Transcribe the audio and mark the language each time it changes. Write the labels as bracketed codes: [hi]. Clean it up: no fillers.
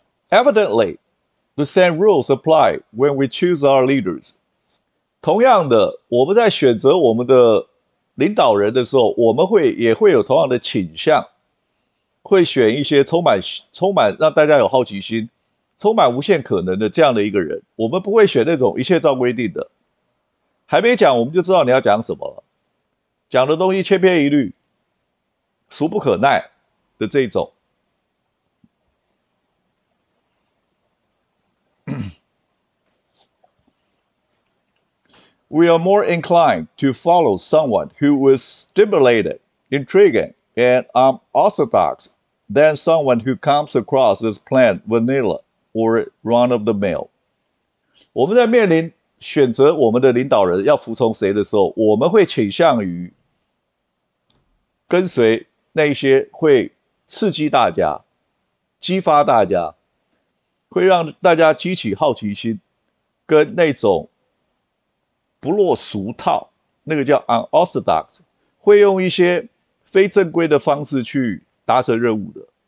[en] Evidently, the same rules apply when we choose our leaders. [zh] 同样的，我们在选择我们的领导人的时候，我们也会有同样的倾向。会选一些充满让大家有好奇心、充满无限可能的这样的一个人，我们不会选那种一切照规定的。还没讲，我们就知道你要讲什么了。讲的东西千篇一律、俗不可耐的这一种。 [en] We are more inclined to follow someone who is stimulated, intriguing, and unorthodox. Than someone who comes across as plain vanilla or run-of-the-mill。 [zh] 我们在面临选择我们的领导人要服从谁的时候，我们会倾向于跟随那些会刺激大家、激发大家、会让大家激起好奇心，跟那种不落俗套，那个叫 unorthodox，会用一些非正规的方式去达成任务的。